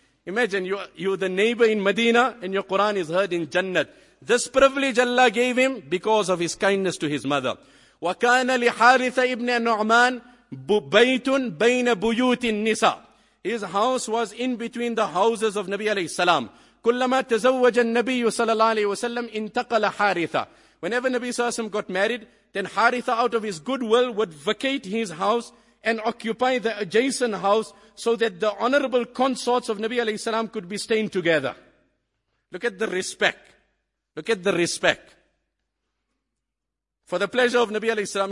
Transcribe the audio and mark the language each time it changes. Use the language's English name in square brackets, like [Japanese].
[English] Imagine, you're the neighbor in Medina and your Quran is heard in Jannat. This privilege Allah gave him because of his kindness to his mother. [Arabic] وَكَانَ لِحَارِثَ إِبْنِ نُعْمَانِ بَيْتٌ بَيْنَ بُيُوتِ النِّسَى. [English] His house was in between the houses of Nabi alayhi salam. [Arabic] كُلَّمَا تَزَوَّجَ النَّبِيُّ sallallahu alayhi wa sallam انْتَقَلَ حَارِثَ. [English] Whenever Nabi sallallahu alayhi wa sallam got married, then Haritha, out of his goodwill, would vacate his house and occupy the adjacent house so that the honorable consorts of Nabi alayhi salam could be staying together. Look at the respect. Look at the respect. For the pleasure of Nabi alayhi salam.